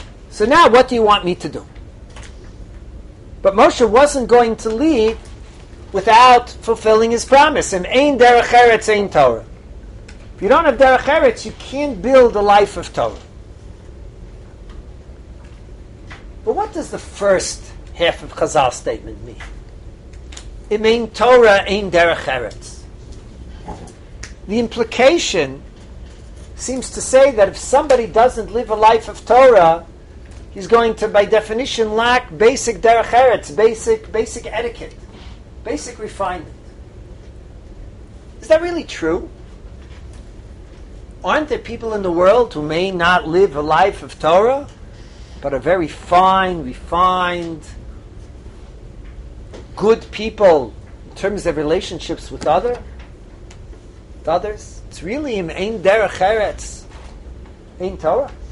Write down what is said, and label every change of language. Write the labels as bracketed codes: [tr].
[en] So now, what do you want me to do? But Moshe wasn't going to leave without fulfilling his promise. And [he] ein derech eretz, ein Torah. [en] If you don't have derech eretz, you can't build a life of Torah. But what does the first half of Chazal's statement mean? [he] Im ein Torah, ein derech eretz. [en] The implication seems to say that if somebody doesn't live a life of Torah, he's going to, by definition, lack basic derech eretz, basic etiquette. Basic refinement. Is that really true? Aren't there people in the world who may not live a life of Torah, but are very fine, refined, good people in terms of relationships with others? It's really [he] im ein derech eretz, ein Torah.